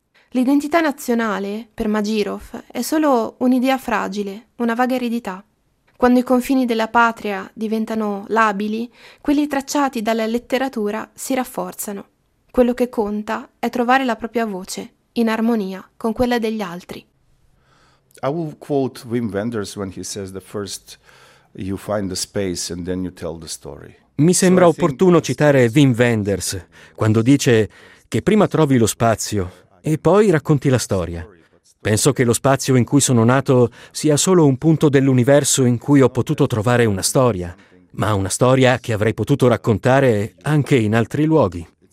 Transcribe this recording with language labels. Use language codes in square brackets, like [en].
[it] L'identità nazionale, per Magirov, è solo un'idea fragile, una vaga eredità. Quando i confini della patria diventano labili, quelli tracciati dalla letteratura si rafforzano. Quello che conta è trovare la propria voce, in armonia con quella degli altri. [en] I will quote Wim Wenders when he says the first you find the space and then you tell the story. [it] Mi sembra opportuno citare Wim Wenders quando dice che prima trovi lo spazio e poi racconti la storia. Penso che lo spazio in cui sono nato sia solo un punto dell'universo in cui ho potuto trovare una storia, ma una storia che avrei potuto raccontare anche in altri luoghi.